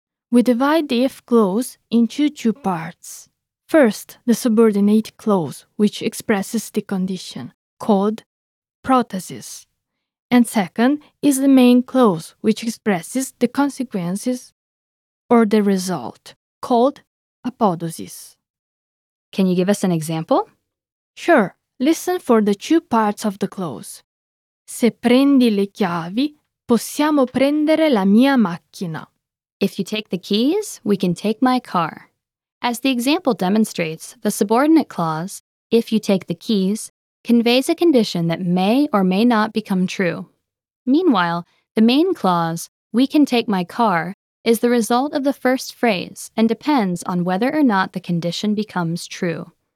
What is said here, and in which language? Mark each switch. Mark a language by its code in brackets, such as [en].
[en] We divide the if clause into two parts. First, the subordinate clause, which expresses the condition, called prothesis. And second is the main clause, which expresses the consequences or the result, called apodosis. Can you give us an example? Sure. Listen for the two parts of the clause. [it] Se prendi le chiavi, possiamo prendere la mia macchina. [en] If you take the keys, we can take my car. As the example demonstrates, the subordinate clause, if you take the keys, conveys a condition that may or may not become true. Meanwhile, the main clause, we can take my car, is the result of the first phrase and depends on whether or not the condition becomes true.